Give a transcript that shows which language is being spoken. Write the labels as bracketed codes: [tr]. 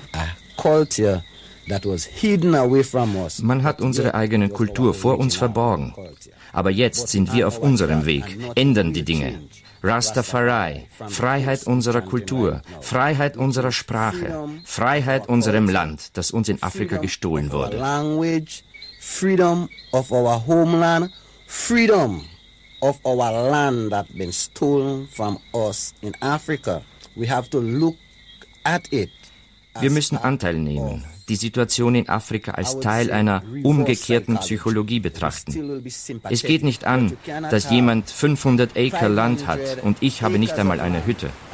[en] A culture that was hidden away from us. [de] Man hat unsere eigene Kultur vor uns verborgen. Aber jetzt sind wir auf unserem Weg, ändern die Dinge. Rastafari, Freiheit unserer Kultur, Freiheit unserer Sprache, Freiheit unserem Land, das uns in Afrika gestohlen wurde. [en] Language, freedom of our homeland. Freedom of our land that been stolen from us in Africa. We have to look at it. [de] Wir müssen Anteil nehmen, die Situation in Afrika als Teil einer umgekehrten Psychologie betrachten. Es geht nicht an, dass jemand 500 Acre Land hat und ich habe nicht einmal eine Hütte.